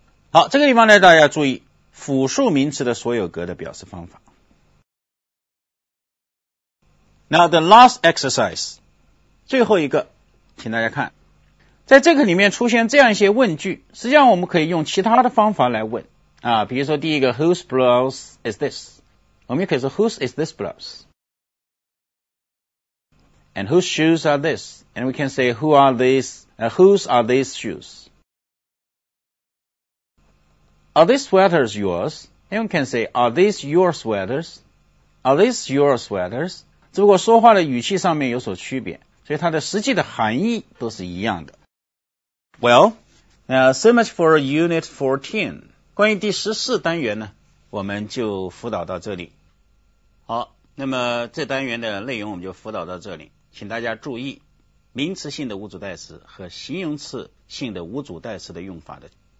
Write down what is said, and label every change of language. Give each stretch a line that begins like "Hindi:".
Chinese: 好，这个地方呢，大家注意复数名词的所有格的表示方法。
English: Now the last exercise，
Chinese: 最后一个，请大家看，在这个里面出现这样一些问句，实际上我们可以用其他的方法来问。啊，比如说第一个
English: Whose blouse is this?
Chinese: 我们也可以说
English: Whose is this blouse? And whose shoes are this? And we can say Who are these?、whose are these shoes? Are these sweaters yours? And we can say Are these your sweaters? Are these your sweaters?
Chinese: 只不过说话的语气上面有所区别，所以它的实际的含义都是一样的。
English: Well, now so much for Unit 14.
Chinese: 关于第14单元呢，我们就辅导到这里。好，那么这单元的内容我们就辅导到这里。请大家注意名词性的无主代词和形容词性的无主代词的用法的